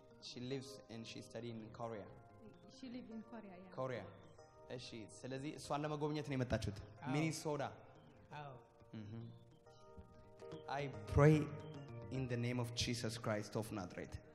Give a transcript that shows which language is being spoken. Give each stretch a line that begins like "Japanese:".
English: she lives and she studies in korea she lives in korea yeah
Amharic: korea እሺ ስለዚህ እሷን ለመጎብኘት ነው የመጣችሁት ሚኒሶታ አዎ
English: እህ I pray in the name of Jesus Christ of Nazareth.